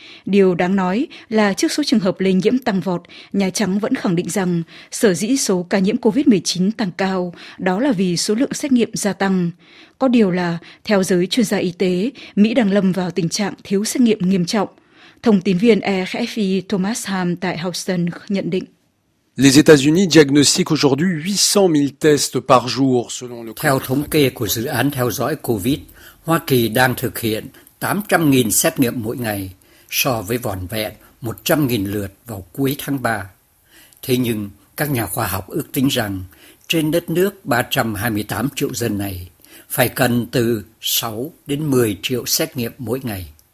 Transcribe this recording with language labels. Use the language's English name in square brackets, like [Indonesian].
[Vietnamese] Điều đáng nói là trước số trường hợp lây nhiễm tăng vọt, Nhà Trắng vẫn khẳng định rằng sở dĩ số ca nhiễm COVID-19 tăng cao, đó là vì số lượng xét nghiệm gia tăng. Có điều là, theo giới chuyên gia y tế, Mỹ đang lâm vào tình trạng thiếu xét nghiệm nghiêm trọng. Thông tin viên RFI Thomas Ham tại Houston nhận định. [French] Les États-Unis diagnostiquent aujourd'hui 800.000 tests par jour selon le. [Vietnamese] Theo thống kê của dự án theo dõi COVID, Hoa Kỳ đang thực hiện 800.000 xét nghiệm mỗi ngày, so với vỏn vẹn 100.000 lượt vào cuối tháng 3. Thế nhưng, các nhà khoa học ước tính rằng trên đất nước 328 triệu dân này phải cần từ 6 đến 10 triệu xét nghiệm mỗi ngày.